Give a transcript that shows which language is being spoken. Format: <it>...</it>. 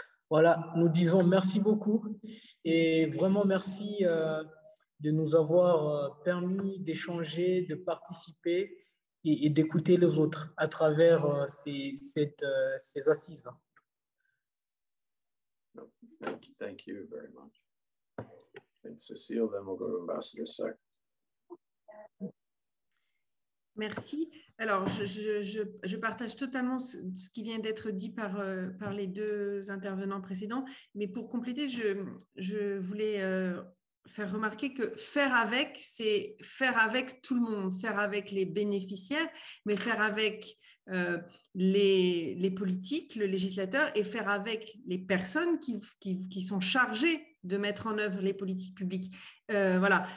<fr>Voilà, nous disons merci beaucoup et vraiment merci de nous avoir permis d'échanger, de participer et d'écouter les autres à travers ces assises.</fr> <en>Thank you very much. And Cécile, then we'll go to Ambassador Sec.</en> <fr>Merci. Alors, je partage totalement ce qui vient d'être dit par les deux intervenants précédents, mais pour compléter, je voulais faire remarquer que faire avec, c'est faire avec tout le monde, faire avec les bénéficiaires, mais faire avec les politiques, le législateur, et faire avec les personnes qui sont chargées de mettre en œuvre les politiques publiques. Voilà.</fr>